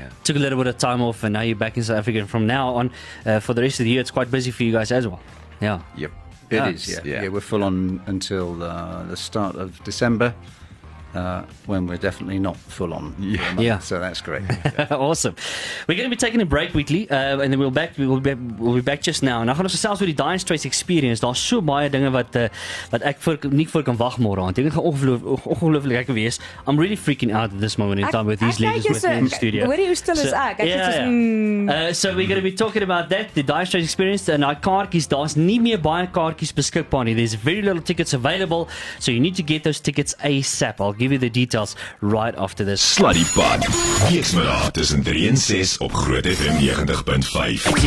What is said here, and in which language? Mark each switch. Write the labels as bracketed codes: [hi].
[en] Took a little bit of time off, and now you're back in South Africa. And from now on, for the rest of the year, it's quite busy for you guys as well. Yeah. Yep. It is. We're full on until the start of December, when we're definitely not full on. Yeah. So that's great. Awesome. We're going to be taking a break weekly, and then we'll be back just now. [af] Nou gaan ons gesels oor die Dire Straits experience. Daar's so baie dinge wat ek nie vir kan wag môre aan. Dit gaan ongelooflik lekker wees. [en] I'm really freaking out at this moment in time with these ladies with me in the studio. [af] Hoor jy hoe stil is ek? [en] So we're going to be talking about that, the Dire Straits experience, and our kaartjies. [af] Daar's nie meer baie kaartjies beskikbaar nie. [en] There's very little tickets available, so you need to get those tickets ASAP. I'll give you the details right after this. Slutty Pod. [af] Weeksmiddag tussen 3 en 6 op Groot FM 90.5.